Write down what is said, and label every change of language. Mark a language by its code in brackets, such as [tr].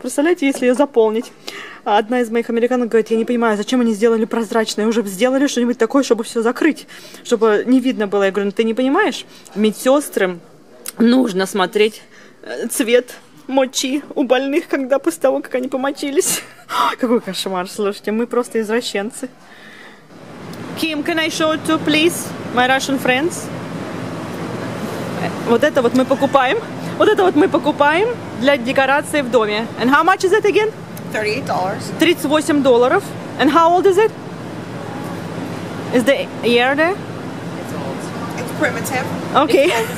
[ru] Представляете, если ее заполнить? Одна из моих американок говорит, я не понимаю, зачем они сделали прозрачное? Уже сделали что-нибудь такое, чтобы все закрыть. Чтобы не видно было. Я говорю, ну ты не понимаешь? Медсестрам нужно смотреть цвет мочи у больных, когда после того, как они помочились. Какой кошмар, слушайте. Мы просто извращенцы. [en] Ким, can I show to please my Russian friends? [ru] Вот это вот мы покупаем. Вот это вот мы покупаем для декорации в доме. [en] And how much is it again? $38. $38. And how old is it? Is the year there? It's old. It's primitive. Okay.